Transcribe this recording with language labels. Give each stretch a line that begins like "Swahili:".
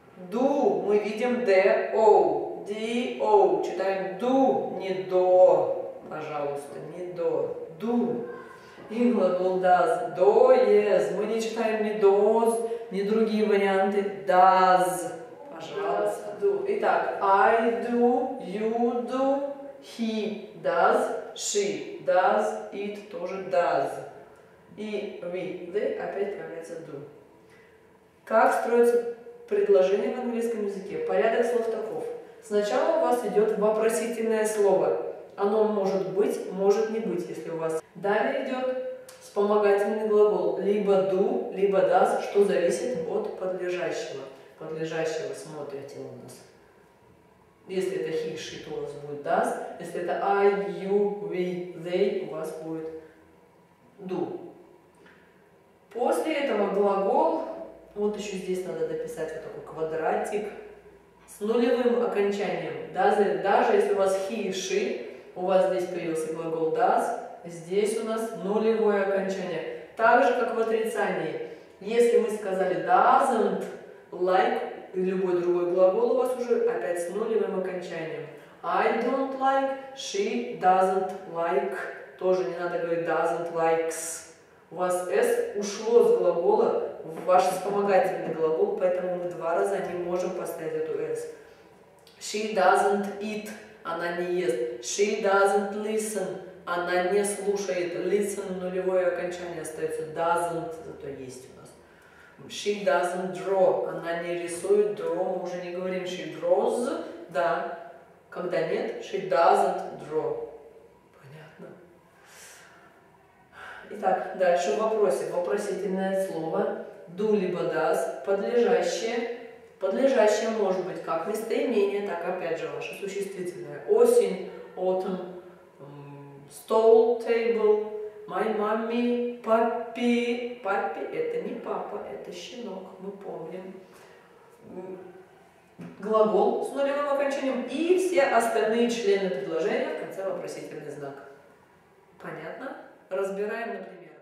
Russian: Do мы видим do.
English: D-O.
Russian: Читаем do, не do. Пожалуйста, не do.
English: Do.
Russian: И глагол does.
English: Does.
Russian: Мы не читаем ни does, ни другие варианты.
English: Does. Пожалуйста. Do. Итак, I do, you do, he does, she does, it тоже does.
Russian: И we, they опять появляется do. Как строится предложение в английском языке? Порядок слов таков. Сначала у вас идет вопросительное слово. Оно может быть, может не быть, если у вас. Далее идет вспомогательный глагол. Либо do, либо does, что зависит от подлежащего. Подлежащего смотрите у нас. Если это he, she, то у вас будет does. Если это I, you, we, they, у вас будет do. После этого глагол, вот еще здесь надо дописать вот такой квадратик, с нулевым окончанием. Даже если у вас he, she, у вас здесь появился глагол does, здесь у нас нулевое окончание. Так же, как в отрицании. Если мы сказали doesn't like, любой другой глагол у вас уже опять с нулевым окончанием.
English: I don't like, she doesn't like.
Russian: Тоже не надо говорить doesn't likes. У вас s ушло с глагола в ваш вспомогательный глагол, поэтому мы два раза не можем поставить эту s. She doesn't eat, она не ест. She doesn't listen. Она не слушает. Listen, нулевое окончание остается. Doesn't, зато есть у нас. She doesn't draw. Она не рисует. Draw, мы уже не говорим.
English: She draws, да. Когда нет, she doesn't draw.
Russian: Понятно. Итак, дальше в вопросе. Вопросительное слово. Do либо does. Подлежащее. Подлежащее может быть как местоимение, так опять же ваше существительное. Осень, autumn. Стол, table, my mommy, папи. Папи – это не папа, это щенок, мы помним. Глагол с нулевым окончанием и все остальные члены предложения в конце вопросительный знак. Понятно? Разбираем, например.